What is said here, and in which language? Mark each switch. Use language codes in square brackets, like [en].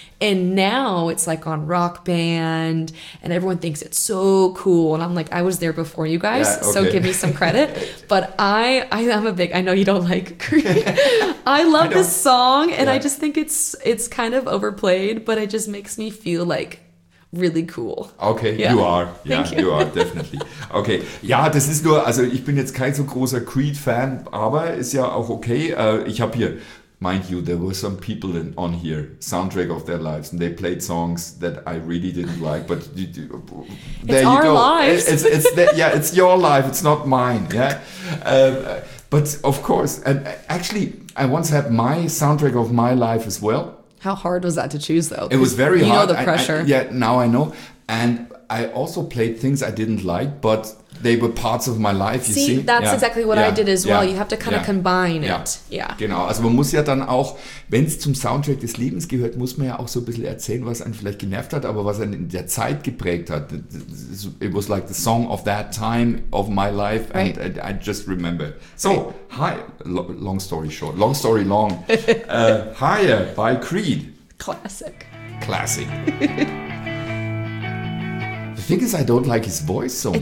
[en] And now it's like on Rock Band and everyone thinks it's so cool. And I'm like, I was there before you guys. Yeah, okay. So give me some credit. But I know you don't like Creed. I love this song and I just think it's kind of overplayed, but it just makes me feel like really cool. Okay, you are. Yeah, you are, definitely. [de] Okay, ja, das ist nur, also ich bin jetzt kein so großer Creed-Fan, aber ist ja auch okay. Ich habe hier, [en] mind you, there were some people on here, soundtrack of their lives, and they played songs that I really didn't like, but there you go. It's our lives. It's your life, it's not mine, yeah. But of course, and actually, I once had my soundtrack of my life as well. How hard was that to choose, though? It was very hard. You know the pressure. Now I know. And I also played things I didn't like, but they were parts of my life, you see? See, that's exactly what I did as well. You have to kind of combine it. Yeah. [de] Genau. Also man muss ja dann auch, wenn es zum Soundtrack des Lebens gehört, muss man ja auch so ein bisschen erzählen, was einen vielleicht genervt hat, aber was einen in der Zeit geprägt hat. [en] It was like the song of that time of my life. Right. And I just remember. So, Hi. Long story short. Long story long. Higher by Creed. Classic. Classic. The thing is, I don't like his voice so much.